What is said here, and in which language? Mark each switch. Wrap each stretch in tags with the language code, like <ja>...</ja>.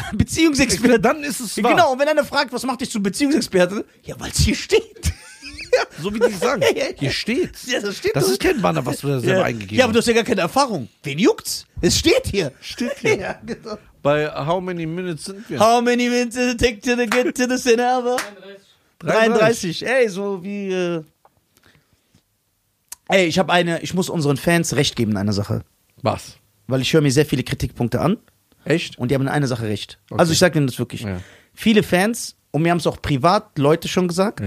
<de>Beziehungsexperte. Dann ist es wahr. Genau, und wenn einer fragt, was macht dich zum Beziehungsexperte? Ja, weil es hier steht. Ja. So wie die sagen. Ja, ja, ja. Hier steht. Ja, das steht. Das ist kein Banner, was du da selber eingegeben hast. Ja, aber du hast ja gar keine Erfahrung. Wen juckt's? Es steht hier. Steht hier. Ja, genau. Bei</de> <en>how many minutes</en> <de>sind wir?</de> <en>How many minutes does it take to get to the cinema?</en> <de>33, ey, so wie, ey, ich muss unseren Fans recht geben in einer Sache. Was? Weil ich höre mir sehr viele Kritikpunkte an. Echt? Und die haben in einer Sache recht. Okay. Also ich sage ihnen das wirklich. Ja. Viele Fans, und mir haben es auch privat Leute schon gesagt,</de>